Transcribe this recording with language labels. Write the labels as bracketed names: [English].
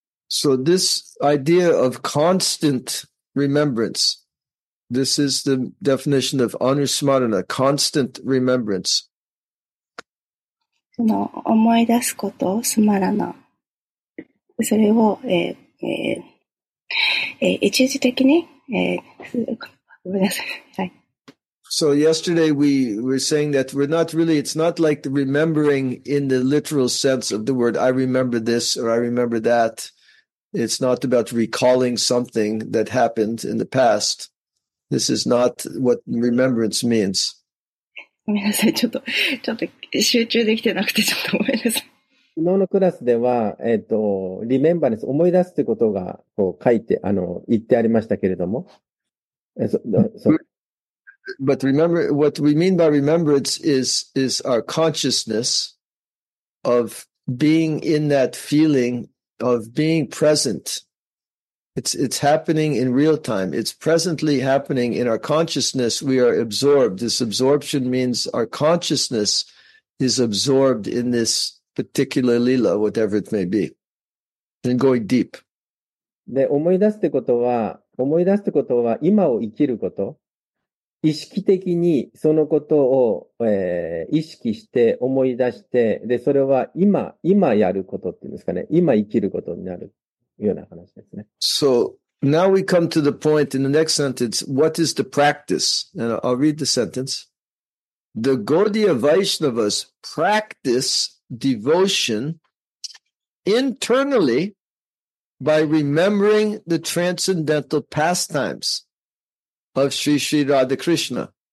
[English] So this idea of constant remembrance, this is the definition of anusmarana, constant remembrance. [Japanese] その思い出すこと、スマラナ、それを、一時的に、ごめんなさい。はい。 [English] So yesterday we were saying that we're not really, it's not like the remembering in the literal sense of the word, I remember this or I remember that. It's not about recalling something that happened in the past. This is not what remembrance means. [Japanese] ごめんなさい。ちょっと集中できてなくて、ちょっとごめんなさい。昨日のクラスでは、リメンバーです。思い出すってことが、こう書いて、言ってありましたけれども。 [English] But remember, what we mean by remembrance is our consciousness of being in that feeling of being present. It's happening in real time. It's presently happening in our consciousness. We are absorbed. This absorption means our consciousness is absorbed in this particular lila, whatever it may be, and going deep. [Japanese] で、思い出すってことは、思い出すってことは今を生きること。意識的にそのことを、意識して思い出して、で、それは今やることっていうんですかね。今生きることになるような話ですね。 [English] So now we come to the point in the next sentence. What is the practice? And I'll read the sentence. The Gaudiya Vaishnavas practice devotion internally by remembering the transcendental pastimes of Sri Sri Radha Krishna.